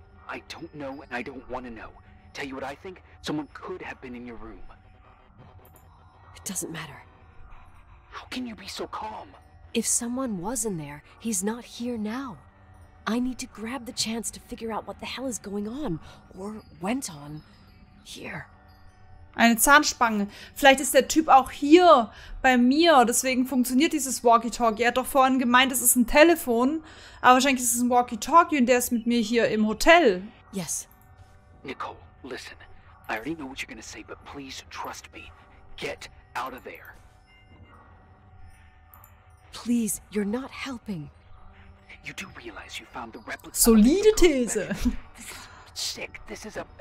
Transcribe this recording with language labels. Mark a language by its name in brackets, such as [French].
[English] I don't know and I don't want to know. Tell you what I think, someone could have been in your room. It doesn't matter. How can you be so calm? If someone was in there, he's not here now. I need to grab the chance to figure out what the hell is going on, or went on. [German] Hier. Eine Zahnspange. Vielleicht ist der Typ auch hier bei mir. Deswegen funktioniert dieses Walkie-Talkie. Er hat doch vorhin gemeint, es ist ein Telefon. Aber wahrscheinlich ist es ein Walkie-Talkie und der ist mit mir hier im Hotel. [English] Yes. Nicole, listen. I already know what you're gonna say, but please trust me. Get out of there. Please, you're not helping. You do realize you found the replica. [German] Solide These. [English] Sick. This is